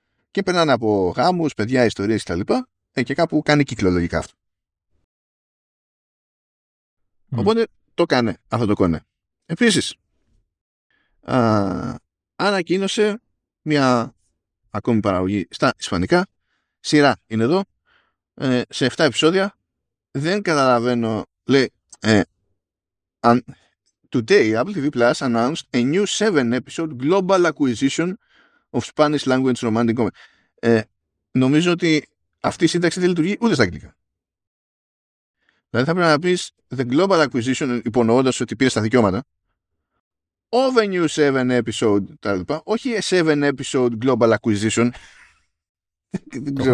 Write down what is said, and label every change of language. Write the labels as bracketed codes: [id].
[el] Και περνάνε από γάμους, παιδιά, ιστορίες κτλ. Και κάπου κάνει κύκλο λογικά αυτό. Mm. Οπότε το κάνε αυτό το κόνε. Επίσης, ανακοίνωσε μια ακόμη παραγωγή στα ισπανικά. Σειρά είναι εδώ. Σε 7 επεισόδια δεν καταλαβαίνω, λέει, [en] today Apple TV Plus announced a new 7 episode global acquisition of Spanish language romantic comedy. [el] Νομίζω ότι αυτή η σύνταξη δεν λειτουργεί ούτε στα αγγλικά. Δηλαδή θα πρέπει να πεις [en] the global acquisition, [el] υπονοώντας ότι πήρε τα δικαιώματα [en] of a new 7 episode [el] τα λοιπά, όχι [en] a 7 episode global acquisition. [el] Δεν ξέρω.